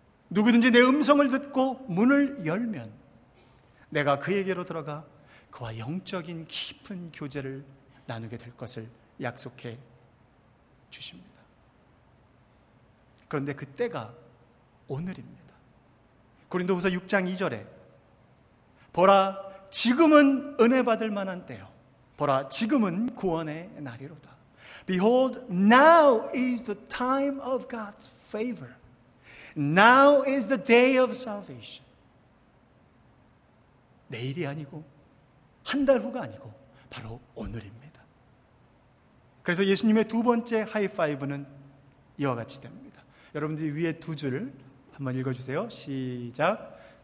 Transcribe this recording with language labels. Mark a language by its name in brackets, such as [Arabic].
[Korean] 누구든지 내 음성을 듣고 문을 열면 내가 그에게로 들어가 그와 영적인 깊은 교제를 나누게 될 것을 약속해 주십니다. 그런데 그때가 오늘입니다. 고린도후서 6장 2절에 보라 지금은 은혜 받을 만한 때요 보라 지금은 구원의 날이로다. [English] Behold, now is the time of God's favor. Now is the day of salvation. [Korean] 내일이 아니고 한 달 후가 아니고 바로 오늘입니다. 그래서 예수님의 두 번째 하이파이브는 이와 같이 됩니다. 여러분들이 위에 두 줄을 한번 읽어주세요. 시작.